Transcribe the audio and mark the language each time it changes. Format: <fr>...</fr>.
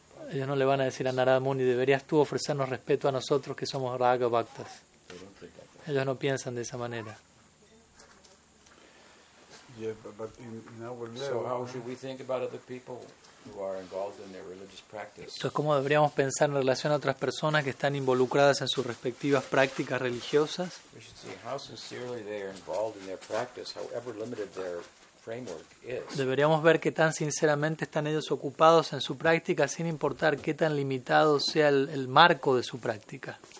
<es>Ellos no le van a decir a Narada Muni, deberías tú ofrecernos respeto a nosotros que somos Raga Bhaktas. Ellos no piensan de esa manera.</es> <en>Yeah, but in our level, so how should we think about other people who are involved in their religious practice?</en> <es>Entonces, ¿cómo deberíamos pensar en relación a otras personas que están involucradas en sus respectivas prácticas religiosas?</es> <en>We should see how sincerely they are involved in their practice, however limited their framework is.</en> <es>Deberíamos ver qué tan sinceramente están ellos ocupados en su práctica, sin importar qué tan limitado sea el marco de su práctica.</es>